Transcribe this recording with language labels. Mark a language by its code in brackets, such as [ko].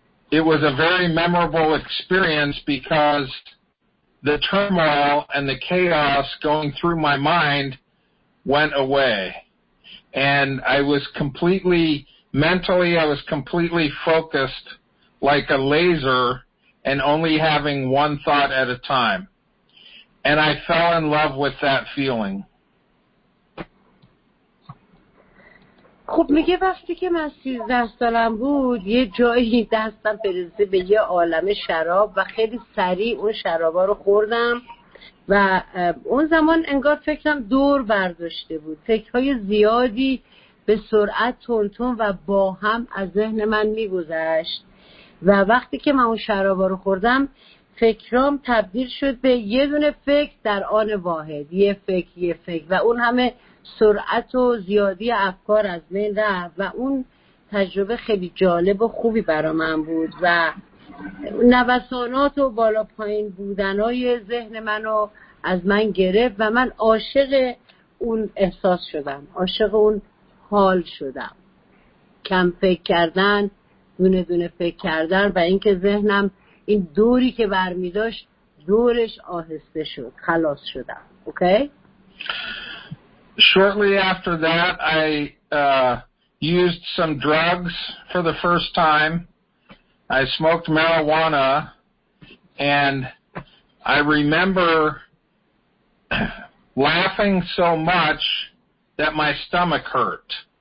[en] It was a very memorable experience because the turmoil and the chaos going through my mind went away. And I was completely, mentally, I was completely focused like a laser and only having one thought at a time. And I fell in love with that feeling. [fa] خب میگه وقتی که من 13 سالم بود، یه جایی دستم برسه به یه عالم شراب و خیلی سریع اون شرابا رو خوردم. و اون زمان انگار فکرم دور برداشته بود، فکرهای زیادی به سرعت تونتون و با هم از ذهن من میگذشت و وقتی که من اون شرابا رو خوردم، فکرام تبدیل شد به یه دونه فکر در آن واحد، یه فکر یه فکر، و اون همه سرعت و زیادی افکار از من رفت و اون تجربه خیلی جالب و خوبی برا من بود و نوسانات و بالا پایین بودنهای ذهن منو از من گرفت و من عاشق اون احساس شدم، عاشق اون حال شدم، کم فکر کردن، دونه دونه فکر کردن و اینکه ذهنم این دوری که برمی داشت دورش آهسته شد، خلاص شدم. اوکی؟ [en] Shortly after that I used some drugs for the first time. I smoked marijuana, and I remember laughing so much that my stomach hurt.